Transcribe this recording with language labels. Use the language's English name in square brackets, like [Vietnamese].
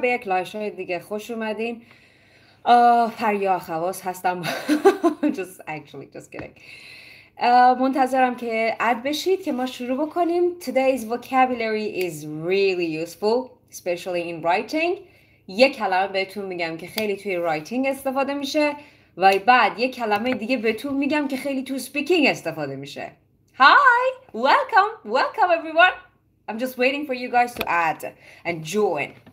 [Persian] به یک لایو شو دیگه خوش اومدین. پریا اخواس هستم. [English] just kidding. [Persian] منتظرم که اد بشید که ما شروع بکنیم. [English] Today's vocabulary is really useful, especially in writing. [Persian] یک کلمه بهتون میگم که خیلی توی writing استفاده میشه و بعد یک کلمه دیگه بهتون میگم که خیلی توی speaking استفاده میشه. [English] Hi, welcome everyone. I'm just waiting for you guys to add and join.